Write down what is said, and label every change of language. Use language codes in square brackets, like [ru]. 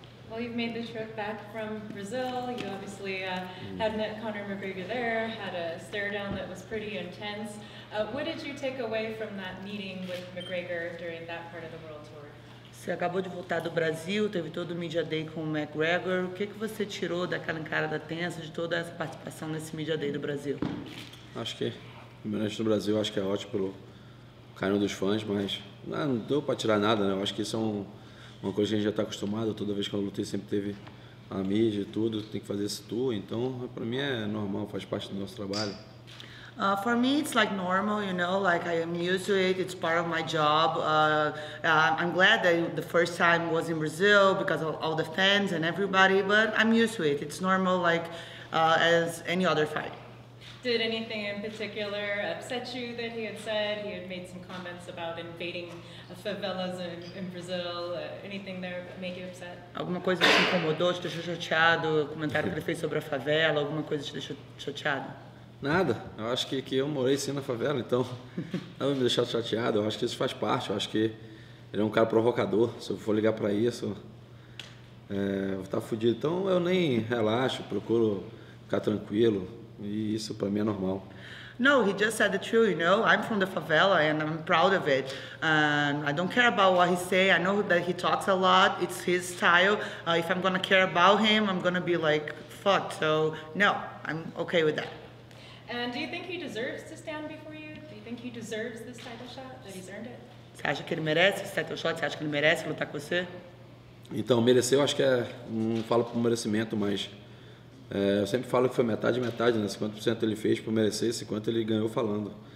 [en] Well, you've made the trip back from Brazil. You obviously had met Conor McGregor there, had a stare down that was pretty intense. What did you take away from that meeting with McGregor during that part of the world tour? [pt] Você acabou de voltar do Brasil, teve todo o Media Day com o McGregor. O que, que você tirou daquela encarada tensa de toda essa participação nesse Media Day do Brasil? Acho que o ambiente do Brasil acho que é ótimo pelo carinho dos fãs, mas não deu para tirar nada, né? Eu acho que isso é uma coisa que a gente já está acostumado. Toda vez que eu lutei sempre teve a mídia e tudo, tem que fazer esse tour. Então, para mim é normal, faz parte do nosso trabalho. [en] For me, it's like normal, you know, like I am used to it, it's part of my job. I'm glad that the first time was in Brazil because of all the fans and everybody, but I'm used to it. It's normal like as any other fight. Did anything in particular upset you that he had said? He had made some comments about invading favelas in Brazil. Anything there make you upset? [pt] Alguma coisa te incomodou, te deixou chateado? O comentário que ele fez sobre a favela, alguma coisa te deixou chateado? Nada, eu acho que eu morei sim na favela, então não me deixar chateado, eu acho que isso faz parte, eu acho que ele é um cara provocador, se eu for ligar pra isso, vou estar fodido, então eu nem relaxo, procuro ficar tranquilo, e isso pra mim é normal. [en] No, he just said the truth, you know, I'm from the favela and I'm proud of it. I don't care about what he say, I know that he talks a lot, it's his style, if I'm gonna care about him, I'm gonna be like, fucked, so no, I'm okay with that. And do you think he deserves to stand before you? Do you think he deserves this title shot, that he's earned it? [pt] Você acha que ele merece esse title shot? Você acha que ele merece lutar com você? Então, mereceu, acho que é... Não falo por merecimento, mas... eu sempre falo que foi metade e metade, né? 50% ele fez por merecer, 50% ele ganhou falando.